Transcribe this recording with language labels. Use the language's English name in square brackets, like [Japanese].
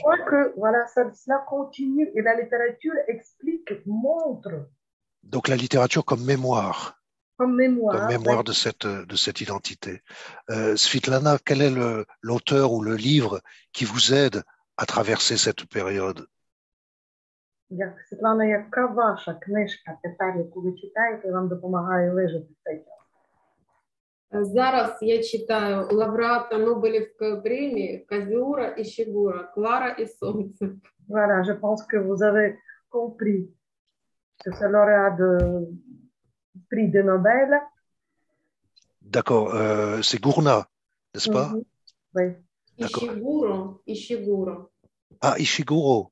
[French] crois que voilà, cela continue et la littérature explique, montre. Donc la littérature comme mémoire mémoire de cette identité. Svitlana, quel est l'auteur ou le livre qui vous aide à traverser cette période? [Ukrainian] Як Світлана, яка ваша книжка тепер, яку ви читаєте, вам допомагає вижити цей час? Зараз я читаю лауреата Нобелівської премії Казіура і Щегура, Клара і Сонце. [French] Voilà, je pense que vous avez compris que c'est lauréat de prix de Nobel. D'accord, c'est Gourna, n'est-ce pas? Oui. Ishiguro, Ishiguro. Ah, Ishiguro.